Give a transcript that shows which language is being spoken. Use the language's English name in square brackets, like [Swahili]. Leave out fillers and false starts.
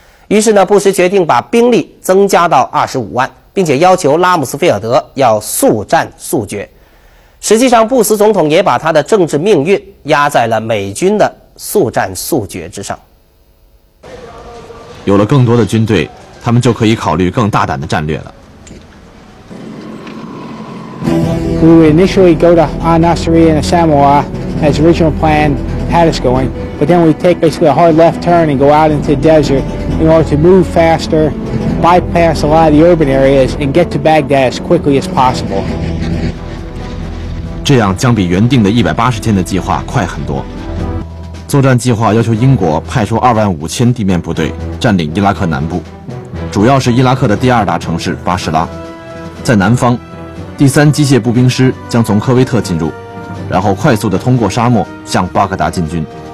[Chinese] 于是呢，布什决定把兵力增加到25万，并且要求拉姆斯菲尔德要速战速决。实际上布什总统也把他的政治命运压在了美军的速战速决之上。有了更多的军队，他们就可以考虑更大胆的战略了。 [English] We would initially go to Al-Nusra and Samoa as original plan had us going, but then we take basically a hard left turn and go out into the desert in order to move faster, bypass a lot of the urban areas, and get to Baghdad as quickly as possible. [Chinese] 这样将比原定的180天的计划快很多。作战计划要求英国派出25000地面部队占领伊拉克南部，主要是伊拉克的第二大城市巴士拉，在南方。第三机械步兵师将从科威特进入，然后快速地通过沙漠向巴格达进军。